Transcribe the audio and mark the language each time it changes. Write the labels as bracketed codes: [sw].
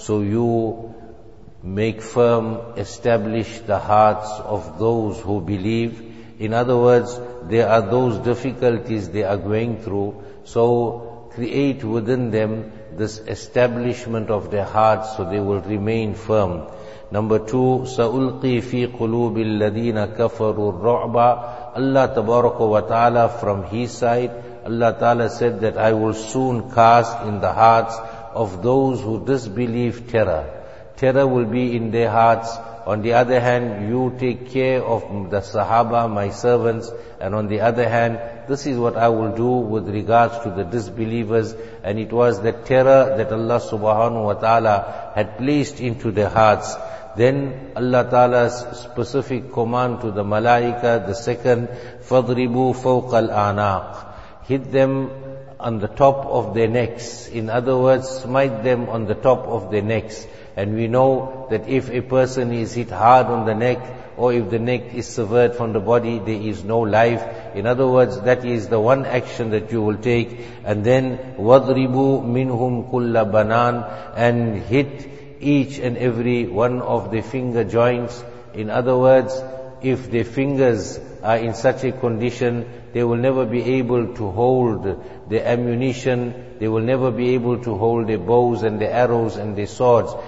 [en] So you make firm, establish the hearts of those who believe. In other words, there are those difficulties they are going through. So create within them this establishment of their hearts so they will remain firm. Number two, [ar] سَأُلْقِي فِي قُلُوبِ الَّذِينَ كَفَرُوا الرُّعْبَ. [en] Allah Tabaraka wa Ta'ala from His side, Allah Ta'ala said that I will soon cast in the hearts of those who disbelieve terror. Terror will be in their hearts. On the other hand, you take care of the Sahaba, my servants. And on the other hand, this is what I will do with regards to the disbelievers. And it was the terror that Allah subhanahu wa ta'ala had placed into their hearts. Then Allah Ta'ala's specific command to the malaika, the second, [ar] فَضْرِبُوا فَوْقَ الْآنَاقِ. [en] Hit them on the top of their necks. In other words, smite them on the top of their necks. And we know that if a person is hit hard on the neck, or if the neck is severed from the body, there is no life. In other words, that is the one action that you will take. And then, [ar] وَضْرِبُوا مِنْهُمْ كُلَّ بَنَانِ. [en] And hit each and every one of the finger joints. In other words, if the fingers are in such a condition, they will never be able to hold the ammunition. They will never be able to hold their bows and their arrows and their swords.